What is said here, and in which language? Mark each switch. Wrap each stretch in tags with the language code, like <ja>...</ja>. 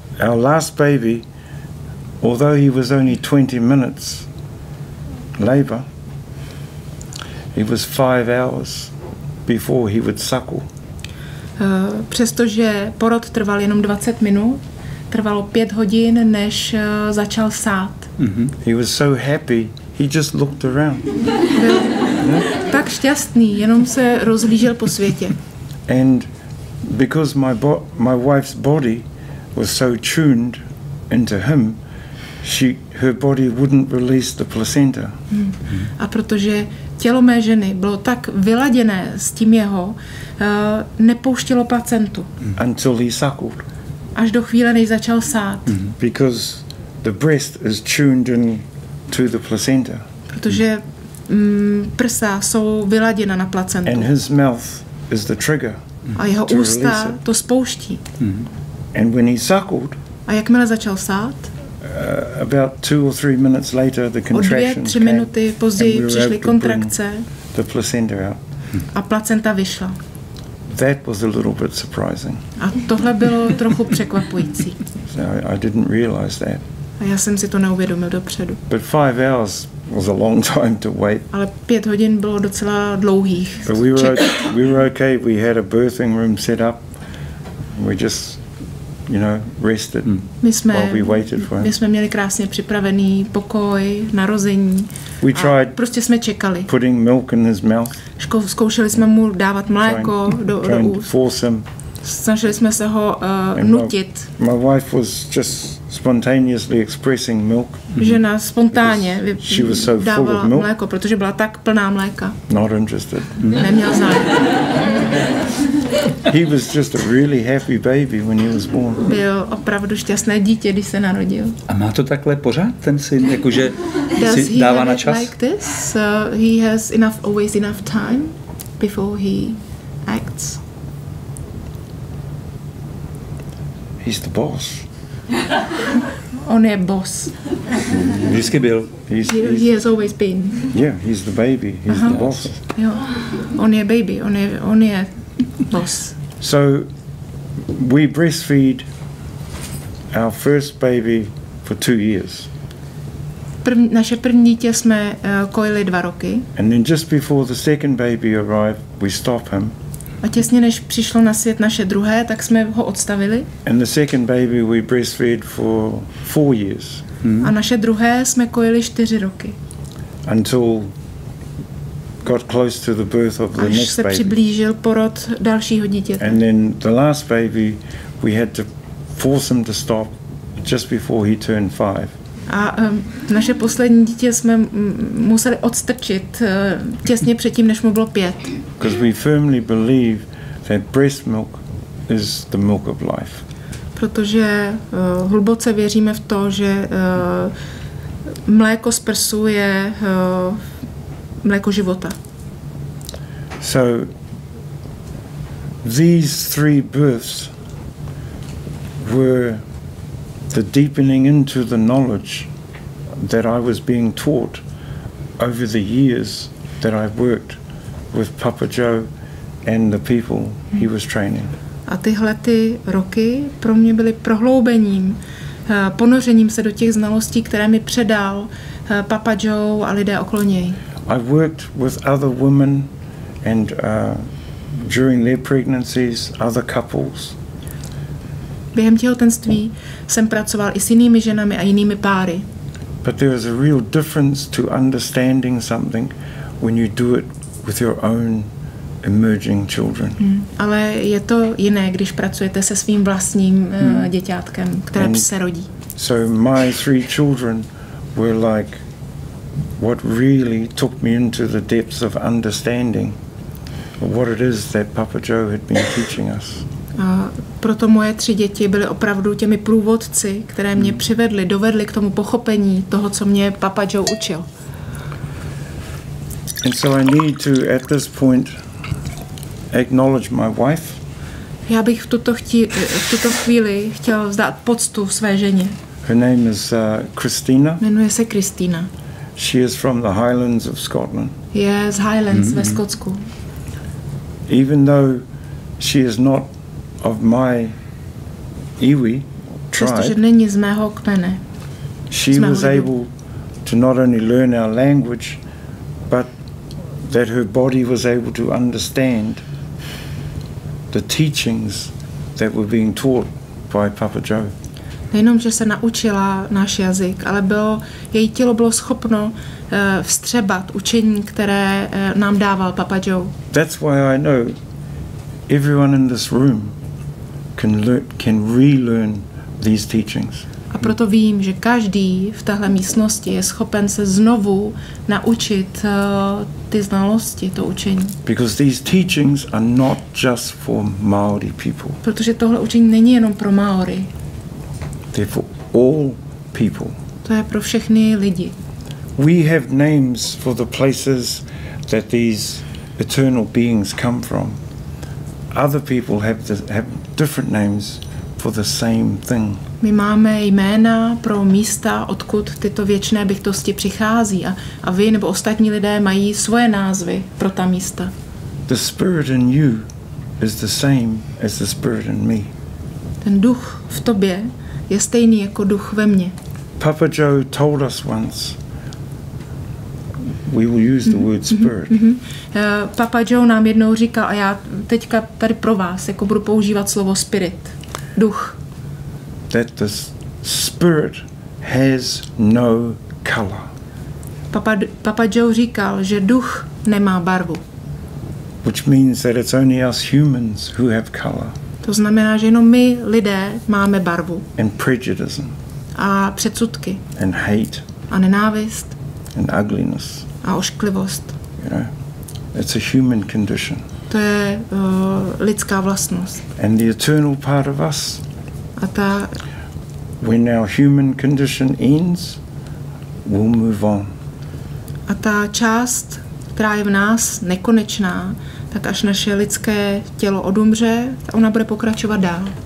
<en>Our last baby, although he was only 20 minutes labor, he was 5 hours before he would suckle.</en> <cs>Přestože porod trval jenom 20 minut, trvalo 5 hodin, než začal sát.</cs> <en>He was so happy. He just looked around.</en> <cs>Tak šťastný, jenom se rozhlížel po světě.</cs> <en>And because my wife's body was so tuned into him, her body wouldn't release the placenta.</en> <cs>A protože tělo mé ženy bylo tak vyladěné s tím jeho, nepouštělo placentu.</cs> <en>Until he suckled.</en> <cs>Až do chvíle, než začal sát.</cs> <en>Because the breast is tuned in to the placenta.</en> <cs>Protože prsa jsou vyladěna na placentu.</cs> <en>And his mouth is the trigger.</en> <cs>A jeho ústa to spouští.</cs> <en>And when he suckled,</en> <cs>a jakmile začal sát,</cs> <en>about 2 or 3 minutes later, the contractions came.</en> <cs>O 2-3 minuty později přišly kontrakce.</cs> <en>The placenta out.</en> <cs>A placenta vyšla.</cs> <en>That was a little bit surprising.</en> <cs>A tohle bylo trochu překvapující.</cs> <en>So I didn't realize that.</en> <cs>A já jsem si to neuvědomil dopředu.</cs> <en>But 5 hours was a long time to wait.</en> <cs>Ale 5 hodin bylo docela dlouhých.</cs> <en>But we were okay. We had a birthing room set up. We just, you know, rested while we waited for him.</en> <cs>My jsme měli krásně připravený pokoj narození.</cs> <en>We tried.</en> <cs>Prostě jsme čekali.</cs> <en>Putting milk in his mouth.</en> <cs>Zkoušeli jsme mu dávat mléko do úst.</cs> <en>Force him.</en> <cs>Snažili jsme se ho nutit.</cs> <en>My wife was just spontaneously expressing milk.</en> <cs>Žena spontánně dávala mléko, protože byla tak plná mléka.</cs> <en>Not interested.</en> <cs>Neměl zájem.</cs> <en>He was just a really happy baby when he was born.</en> <cs>Byl opravdu šťastné dítě, když se narodil. A má to takhle pořád ten syn, jakože si dává na čas?</cs> <en>Like this? So he has always enough time before he acts. He's the boss.</en> <cs>On je boss. Vždycky byl.</cs> <en>He has always been. Yeah, he's the baby. He's the boss.</en> <cs>Jo. On je baby. On je boss.</cs> <en>So we breastfeed our first baby for 2 years.</en> <cs>Naše první dítě jsme kojili 2 roky.</cs> <en>And then just before the second baby arrived, we stop him.</en> <cs>A těsně než přišlo na svět naše druhé, tak jsme ho odstavili.</cs> <en>And the second baby we breastfed for 4 years.</en> <cs>A naše druhé jsme kojili 4 roky.</cs> <en>Until got close to the birth of the next baby.</en> <cs>Až se přiblížil porod dalšího dítěte.</cs> <en>And then the last baby we had to force him to stop just before he turned 5.</en> <cs>A naše poslední dítě jsme museli odstrčit těsně předtím, než mu bylo 5.</cs> <en>Because we firmly believe that breast milk is the milk of life.</en> <cs>Protože hluboce věříme v to, že mléko z prsu je mléko života.</cs> <en>So these three births were the deepening into the knowledge that I was being taught over the years that I've worked with Papa Joe and the people he was training.</en> <cs>A tyhle ty roky pro mě byly prohloubením, ponořením se do těch znalostí, které mi předal Papa Joe a lidé okolo něj.</cs> <en>I worked with other women and during their pregnancies other couples.</en> <cs>Během těhotenství jsem pracoval i s jinými ženami a jinými páry.</cs> <en>But there is a real difference to understanding something when you do it with your own emerging children.</en> <cs>Ale je to jiné, když pracujete se svým vlastním děťátkem, které se rodí.</cs> <en>So my three children were like what really took me into the depths of understanding what it is that Papa Joe had been teaching us.</en> <cs>A proto moje tři děti byly opravdu těmi průvodci, které mě přivedly, dovedly k tomu pochopení toho, co mě Papa Joe učil.</cs> <en>And so I need to at this point acknowledge my wife.</en> <cs>Já bych v tuto chvíli chtěl vzdát poctu své ženě.</cs> <en>Her name is Christina.</en> <cs>Jmenuje se Christina.</cs> <en>She is from the Highlands of Scotland.</en> <cs>Je z Highlands ve Skotsku.</cs> <en>Even though she is not of my iwi tribe.</en> <cs>Přestože není z mého kmene.</cs> <en>She was able to not only learn our language, but that her body was able to understand the teachings that were being taught by Papa Joe.</en> <cs>Nejenom, že se naučila náš jazyk, ale její tělo bylo schopno vstřebat učení, které nám dával Papa Joe.</cs> <en>That's why I know everyone in this room can relearn these teachings.</en> <cs>A proto vím, že každý v téhle místnosti je schopen se znovu naučit ty znalosti, to učení.</cs> <en>Because these teachings are not just for Maori people.</en> <cs>Protože tohle učení není jenom pro Maori.</cs> <en>They're for all people.</en> <cs>To je pro všechny lidi.</cs> <en>We have names for the places that these eternal beings come from. Other people have different names for the same thing.</en> <cs>My máme jména pro místa, odkud tyto věčné bytosti přichází, a vy nebo ostatní lidé mají svoje názvy pro ta místa.</cs> <en>The spirit in you is the same as the spirit in me.</en> <cs>Ten duch v tobě je stejný jako duch ve mně.</cs> <en>Papa Joe told us once. We will use the word spirit.</en> <cs>Papa Joe nám jednou říkal, a já teďka tady pro vás jako budu používat slovo spirit, duch.</cs> <en>That the spirit has no color.</en> <cs>Papa Joe říkal, že duch nemá barvu.</cs> <en>Which means that it's only us humans who have color.</en> <cs>To znamená, že jenom my lidé máme barvu.</cs> <en>And prejudice.</en> <cs>A předsudky.</cs> <en>And hate.</en> <cs>A nenávist.</cs> <en>And ugliness.</en> <cs>A ošklivost.</cs> <en>You know, it's a human condition.</en> <cs>To je lidská vlastnost.</cs> <en>And the eternal part of us.</en> <cs>A ta.</cs> <en>When our human condition ends, we'll move on.</en> <cs>A ta část, která je v nás nekonečná, tak až naše lidské tělo odumře, ona bude pokračovat dál.</cs>